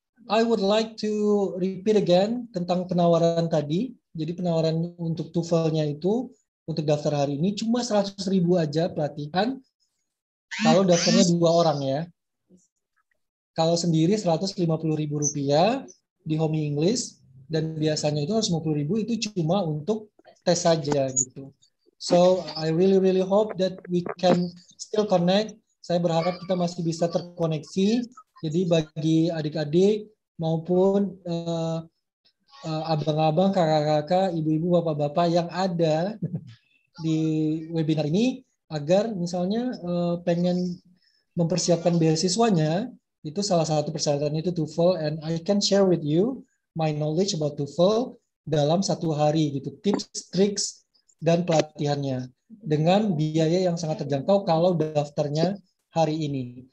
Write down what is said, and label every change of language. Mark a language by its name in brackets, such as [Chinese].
[English] I would like to repeat again [Indonesian] tentang penawaran tadi. Jadi penawaran untuk TOEFL-nya itu untuk daftar hari ini cuma 100.000 aja pelatihan. Kalau daftarnya dua orang ya. Kalau sendiri Rp150.000 di Home English, dan biasanya itu Rp150.000 itu cuma untuk tes saja gitu. [English] So I really really hope that we can still connect. [Indonesian] Saya berharap kita masih bisa terkoneksi. Jadi bagi adik-adik maupun abang-abang, kakak-kakak, ibu-ibu, bapak-bapak yang ada di webinar ini, agar misalnya pengen mempersiapkan beasiswanya, itu salah satu persyaratan itu TOEFL, [English] and I can share with you my knowledge about TOEFL [Indonesian] dalam satu hari, gitu, tips, tricks, dan pelatihannya dengan biaya yang sangat terjangkau kalau daftarnya hari ini.